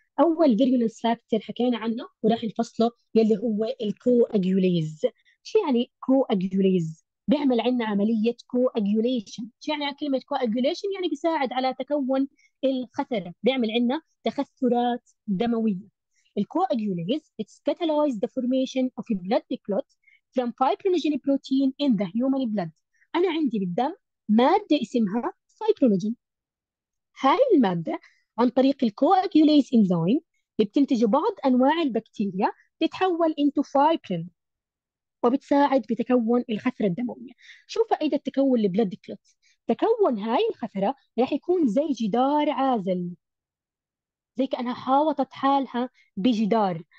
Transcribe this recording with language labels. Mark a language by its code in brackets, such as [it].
[ar] اول فيريولنس فاكتور حكينا عنه وراح نفصله، يلي هو الكو اجوليز. شو يعني كو اجوليز؟ بيعمل عندنا عمليه كو اجوليشن. شو يعني كلمه كو اجوليشن؟ يعني بيساعد على تكون الخثره، بيعمل عندنا تخثرات دمويه. [en] الكواجوليز it's catalyze the formation of a blood clot from fibrinogen protein in the human blood. [ar] أنا عندي بالدم مادة اسمها fibrinogen. هاي المادة عن طريق الكواجوليز enzyme بتنتج بعض أنواع البكتيريا تتحول into fibrin وبتساعد بتكون الخثرة الدموية. شو فائدة تكون البلد كلوت؟ تكون هاي الخثرة راح يكون زي جدار عازل، زي كأنها حاوطت حالها بجدار.